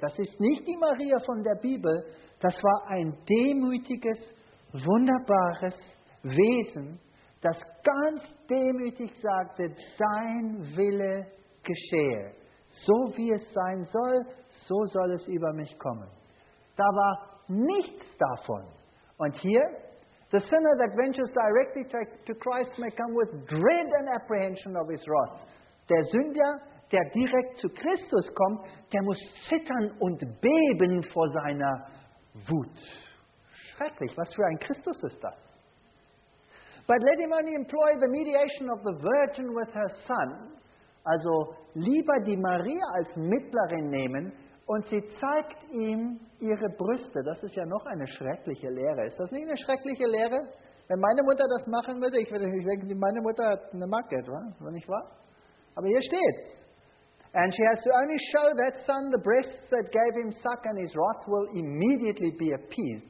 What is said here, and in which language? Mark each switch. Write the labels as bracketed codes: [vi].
[de] Das ist nicht die Maria von der Bibel, das war ein demütiges, wunderbares Wesen, das ganz demütig sagte, dein Wille geschehe. So wie es sein soll, so soll es über mich kommen. Da war nichts davon. Und hier, [en] the sinner that ventures directly to Christ may come with dread and apprehension of his wrath. [de] Der Sünder, der direkt zu Christus kommt, der muss zittern und beben vor seiner Wut. Schrecklich, was für ein Christus ist das? [en] But let him only employ the mediation of the Virgin with her son. [de] Also lieber die Maria als Mittlerin nehmen und sie zeigt ihm ihre Brüste. Das ist ja noch eine schreckliche Lehre. Ist das nicht eine schreckliche Lehre? Wenn meine Mutter das machen würde, ich würde denken, meine Mutter hat eine Macke, oder? Wenn nicht wahr? Aber hier steht's. [en] And she has to only show that son the breasts that gave him suck and his wrath will immediately be appeased.